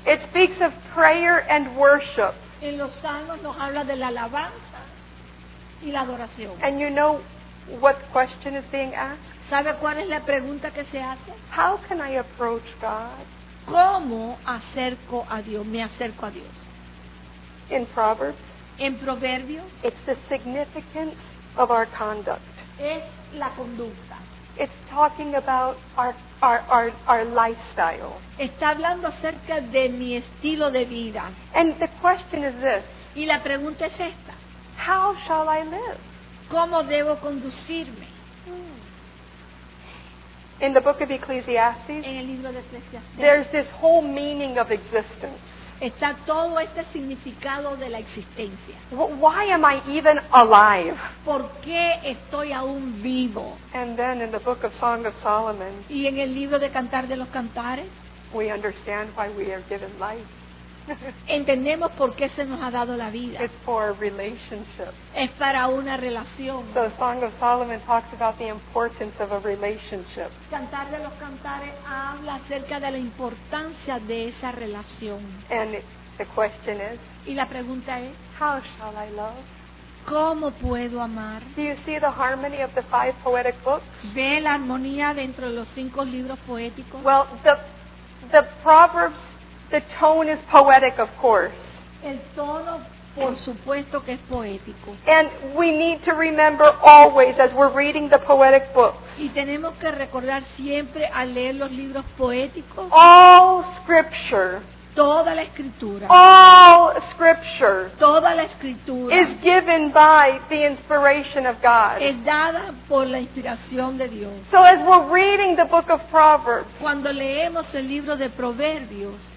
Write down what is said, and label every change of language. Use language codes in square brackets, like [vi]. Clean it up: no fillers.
[en] It speaks of prayer and worship. [es] En los Salmos nos habla de la alabanza y la adoración. [en] And you know what question is being asked? [es] ¿Sabe cuál es la pregunta que se hace? [en] How can I approach God? [es] ¿Cómo acerco a Dios? Me acerco a Dios. [en] In Proverbs. [es] En Proverbios. [en] It's the significance of our conduct. [es] Es la conducta. [en] It's talking about our lifestyle. [es] Está hablando acerca de mi estilo de vida. [en] And the question is this. [es] Y la pregunta es esta. [en] How shall I live? [es] ¿Cómo debo conducirme? [en] In the book of Ecclesiastes, [es] en el libro de Ecclesiastes, [en] there's this whole meaning of existence. [es] Está todo este significado de la existencia. [en] Why am I even alive? [es] ¿Por qué estoy aún vivo? [en] And then in the book of Song of Solomon, [es] y en el libro de Cantar de los Cantares, [en] we understand why we are given life. [es] Entendemos por qué se nos ha dado la vida. [en] It's for a relationship. [es] Es para una relación. [en] So Song of Solomon talks about the importance of a relationship. [es] Cantar de los Cantares habla acerca de la importancia de esa relación. [en] And the question is, [es] y la pregunta es, [en] how shall I love? [es] ¿Cómo puedo amar? [en] Do you see the harmony of the five poetic books? [es] ¿Ve la armonía dentro de los cinco libros poéticos? [en] Well, the Proverbs. The tone is poetic, of course. [es] El tono, por supuesto, que es poético. [en] And we need to remember always as we're reading the poetic books. [es] Y tenemos que recordar siempre al leer los libros poéticos. [en] All scripture. [es] Toda la escritura. [en] All scripture. [es] Toda la escritura. [en] Is given by the inspiration of God. [es] Es dada por la inspiración de Dios. [en] So as we're reading the book of Proverbs. [es] Cuando leemos el libro de Proverbios.